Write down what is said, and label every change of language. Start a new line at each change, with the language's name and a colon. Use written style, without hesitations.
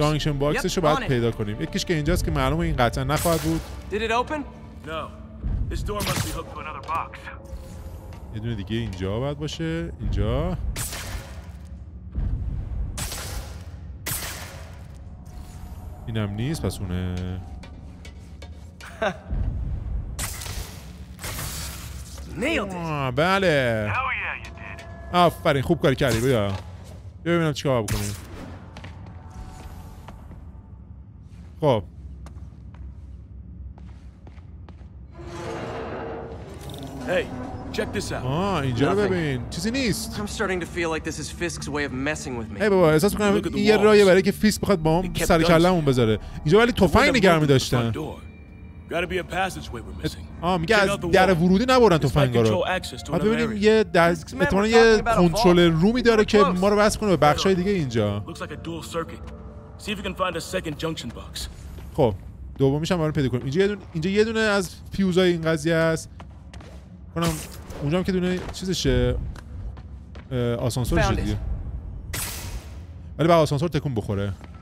Persian: Junction boxشو باید پیدا کنیم. یکیش که اینجاست که معلومه این قطعا نخواهد بود.
English: Did it open? No. This door must be hooked to another box.
Persian: یه دونه دیگه اینجا باید باشه. اینجا اینم نیست پس اونه. بله آفرین خوب کاری کردی. بیا ببینم چی کار بکنیم. خب
English: هی check this out. آه
Persian: اینجا رو ببین. چیزی نیست.
English: I'm starting to feel like this is Fisk's way of messing with me.
Persian: ای بابا احساس می‌کنم یه راهی برای که فیسک بخواد با من سر کله‌مون بذاره. اینجا ولی تفنگ نگه می‌داشتن.
English: Gotta be a passageway we're missing.
Persian: آه میگه از در ورودی نبرن تفنگا رو. بعد ببینیم یه احتمال یه کنترل رومی داره که ما رو وصل کنه به بخش‌های دیگه اینجا.
English: Looks like a dual circuit. See if you can find a second junction box.
Persian: خب دومیش هم برام پیدا کنیم. اینجا یه دونه از فیوزای این قضیه است. کنم اونجا هم که دونه چیزشه آسانسورش دیگه. ولی بعد آسانسور تکون بخوره.